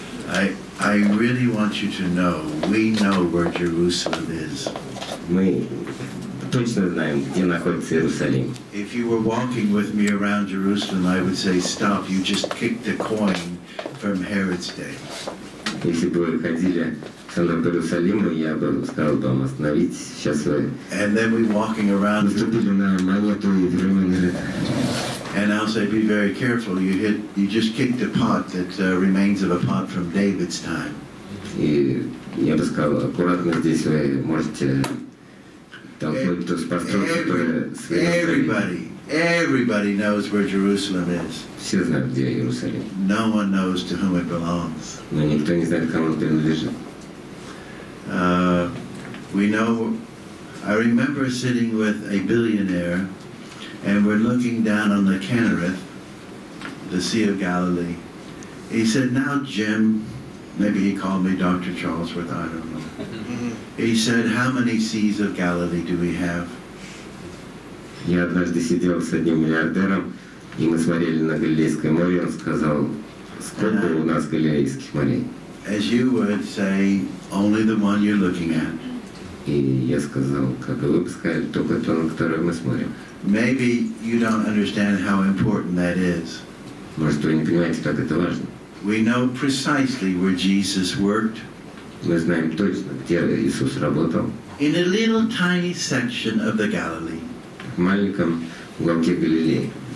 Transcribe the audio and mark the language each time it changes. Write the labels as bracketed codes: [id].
[en] I really want you to know, we know where Jerusalem is. [ru] Мы точно знаем, где находится Иерусалим. [en] If you were walking with me around Jerusalem, I would say, stop, you just kicked a coin from Herod's day. [ru] Если бы вы ходили в центр Иерусалима, я бы сказал вам, остановитесь, сейчас вы... [en] And then we're walking around... [ru] Наступили на монету и временно... [en] And I'll say, be very careful, you just kicked a pot that remains of a pot from David's time. [ru] И я бы сказал, аккуратно здесь вы можете толкнуть ту постройку, которая... [en] Everybody knows where Jerusalem is. [ru] Все знают, где Иерусалим. [en] No one knows to whom it belongs. [ru] Но никто не знает, кому принадлежит. [en] We know, I remember sitting with a billionaire and we're looking down on the Kinnereth, the Sea of Galilee. He said, now Jim, maybe he called me Dr. Charlesworth, I don't know. He said, how many seas of Galilee do we have? [ru] Я однажды сидел с одним миллиардером, и мы смотрели на Галилейское море, он сказал, сколько у нас Галилейских морей? [en] As you would say, only the one you're looking at. [ru] И я сказал, как вы бы сказали, только то, на которое мы смотрим. [en] Maybe you don't understand how important that is. [ru] Может, вы не понимаете, как это важно. [en] We know precisely where Jesus worked. [ru] Мы знаем точно, где Иисус работал. [en] In a little tiny section of the Galilee. [ru] В маленьком уголке Галилеи.